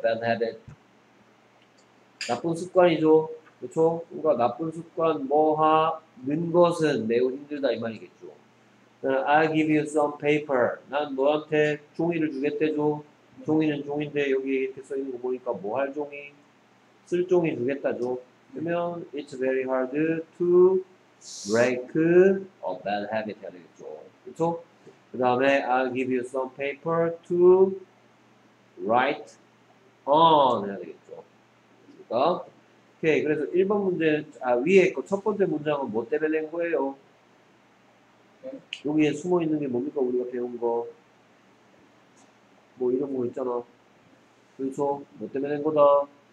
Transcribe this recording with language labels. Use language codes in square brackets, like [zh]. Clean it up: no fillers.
[en] bad habit. [ko] 나쁜 습관이죠. 그렇죠? 그러니까 나쁜 습관 뭐 하는 것은 매우 힘들다 이 말이겠죠. [en] I'll give you some paper. [ko] 난 너한테 종이를 주겠대죠. 종이는 종인데 여기 이렇게 써있는 거 보니까 뭐 할 종이? 쓸 종이 주겠다죠. 그러면 [en] it's very hard to break a bad habit [ko] 해야 되겠죠. 그렇죠? 그 다음에 [en] I'll give you some paper to write on [ko] 해야 되겠죠. 그러니까 오케이, 그래서 1번 문제, 아, 위에 거 첫 번째 문장은 뭐 때문에 낸 거예요? 네. 여기에 숨어 있는 게 뭡니까? 우리가 배운 거. 뭐 이런 거 있잖아. 그래서 뭐 때문에 낸 거다?